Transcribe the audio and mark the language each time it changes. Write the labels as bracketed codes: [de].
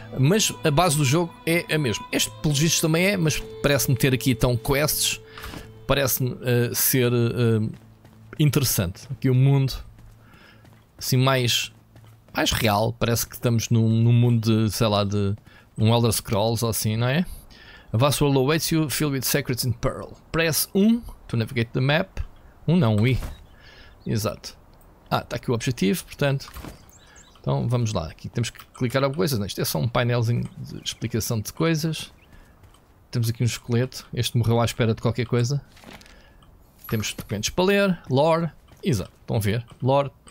[pt] Mas a base do jogo é a mesma. Este, pelos vistos, também é, mas parece-me ter aqui então quests. Parece-me ser interessante. Aqui o mundo, assim, mais real. Parece que estamos num mundo de, sei lá, de um Elder Scrolls ou assim, não é? [en] A vast world awaits you, filled with secrets and pearl. Press 1 to navigate the map. I. Exato. [pt] Ah, está aqui o objetivo, portanto. Então vamos lá. Aqui temos que clicar alguma coisa. Isto é só um painelzinho de explicação de coisas. Temos aqui um esqueleto. Este morreu à espera de qualquer coisa. Temos documentos para ler. Lore. Exato. Estão a ver. Lore.